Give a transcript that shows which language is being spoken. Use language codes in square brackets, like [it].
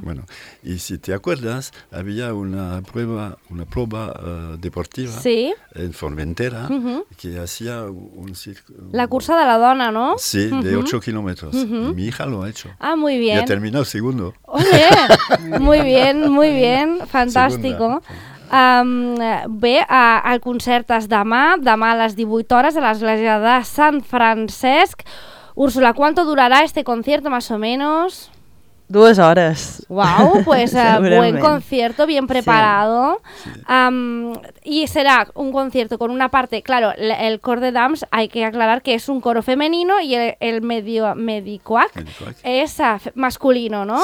[es] Bueno, y si te acuerdas, había una prueba deportiva sí. en Formentera uh-huh. que hacía un circo. La cursa de la dona, ¿no? Sí, uh-huh. de 8 kilómetros. Uh-huh. Y mi hija lo ha hecho. Ah, muy bien. Y ha terminado segundo. ¡Oye! Muy bien, muy bien. Fantástico. Segunda. [ca] El concert és demà a les 18 hores a l'església de Sant Francesc. [es] Úrsula, ¿cuánto durará este concierto más o menos? [ca] 2 hores. [es] Wow, pues buen concierto, bien preparado. Sí. Y será un concierto con una parte, claro, el cor de dames, hay que aclarar que es un coro femenino y el medicoac es masculino, ¿no?